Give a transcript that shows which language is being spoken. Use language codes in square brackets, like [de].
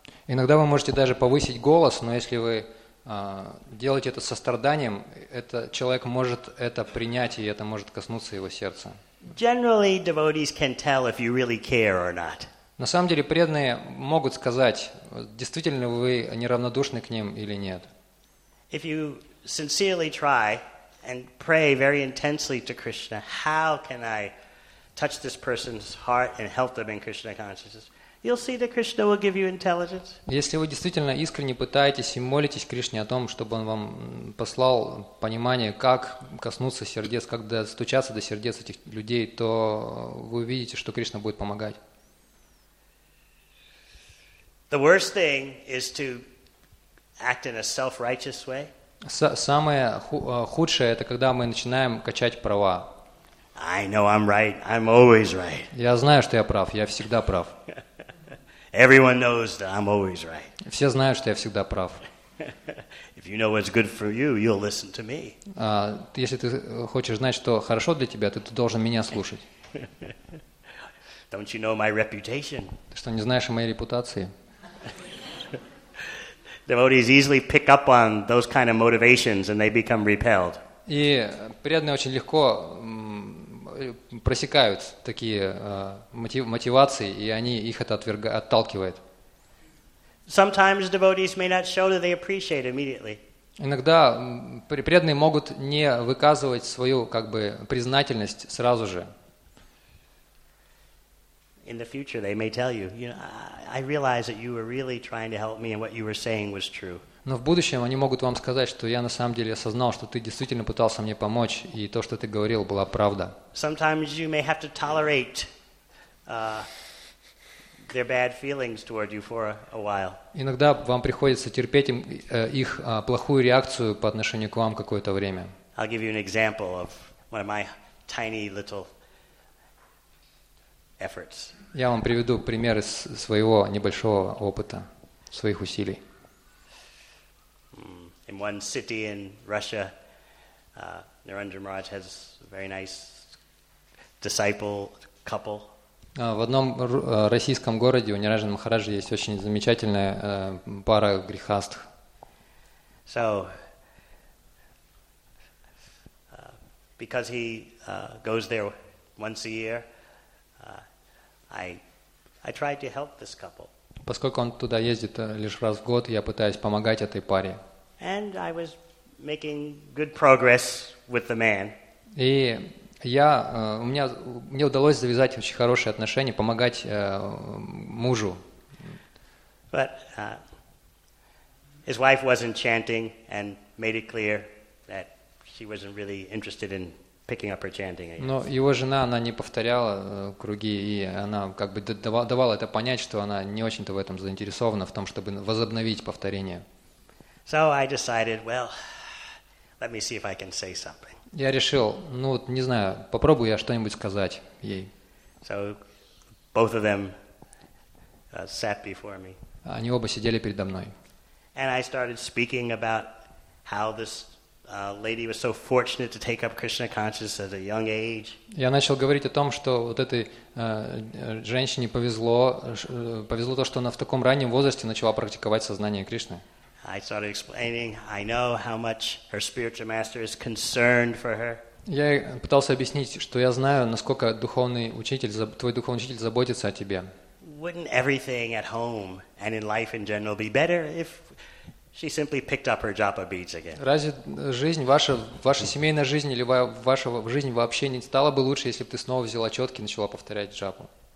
[ru] Иногда вы можете даже повысить голос, но если вы делаете это состраданием, это человек может это принять, и это может коснуться его сердца. [en] Generally, devotees can tell if you really care or not. [ru] На самом деле, преданные могут сказать, действительно вы неравнодушны к ним или нет. [en] If you sincerely try and pray very intensely to Krishna, how can I touch this person's heart and help them in Krishna consciousness? You'll see that Krishna will give you intelligence. [ru] Если вы действительно искренне пытаетесь и молитесь Кришне о том, чтобы он вам послал понимание, как коснуться сердец, как достучаться до сердец этих людей, то вы увидите, что Кришна будет помогать. [en] The worst thing is to act in a self-righteous way. [ru] Самое худшее это когда мы начинаем качать права. [en] I know I'm right. I'm always right. [ru] Я знаю, что я прав. Я всегда прав. [en] Everyone knows that I'm always right. [ru] Все знают, что я всегда прав. [en] If you know what's good for you, you'll listen to me. [ru] Если ты хочешь знать, что хорошо для тебя, ты должен меня слушать. [en] Don't you know my reputation? [ru] Ты что, не знаешь о моей репутации? [en] Devotees easily pick up on those kind of motivations and they become repelled. [ru] И преданные очень легко просекают такие мотивации, и они их это отталкивает. [en] Sometimes devotees may not show that they appreciate immediately. [ru] Иногда преданные могут не выказывать свою как бы признательность сразу же. [en] In the future, they may tell you, you know, I realize that you were really trying to help me, and what you were saying was true. [ru] Но в будущем они могут вам сказать, что я на самом деле осознал, что ты действительно пытался мне помочь, и то, что ты говорил, была правда. [en] Sometimes you may have to tolerate their bad feelings toward you for a while. [ru] Иногда вам приходится терпеть их плохую реакцию по отношению к вам какое-то время. [en] I'll give you an example of one of my tiny little efforts. [ru] Я вам приведу пример из своего небольшого опыта, своих усилий. [en] In one city in Russia, Narendra Maharaj has a very nice disciple couple. [ru] В одном российском городе у Нараджа Махараджа есть очень замечательная пара грихастх. [en] So, because he goes there once a year, I try to help this couple. [ru] Поскольку он туда ездит лишь раз в год, я пытаюсь помогать этой паре. [en] And I was making good progress with the man. [ru] И я мне удалось завязать очень хорошие отношения, помогать мужу. [en] But his wife wasn't chanting and made it clear that she wasn't really interested in picking up her chanting. [ru] Но его жена, она не повторяла круги, и она как бы давала это понять, что она не очень-то в этом заинтересована, в том, чтобы возобновить повторение. [en] So I decided, well, let me see if I can say something. [ru] Я решил, ну вот не знаю, попробую я что-нибудь сказать ей. [en] So both of them sat before me. [ru] Они оба сидели передо мной. [en] And I started speaking about how this lady was so fortunate to take up Krishna consciousness at a young age. [ru] Я начал говорить о том, что вот этой женщине повезло то, что она в таком раннем возрасте начала практиковать сознание Кришны. [en] I started explaining, I know how much her spiritual master is concerned for her. [ru] Я пытался объяснить, что я знаю, насколько твой духовный учитель заботится о тебе. [en] Wouldn't everything at home and in life in general be better if she simply picked up her japa beads again? [ru] Разве жизнь ваша семейная жизнь или ваша жизнь вообще не стала бы лучше, если бы ты снова взяла четки и начала повторять джапу?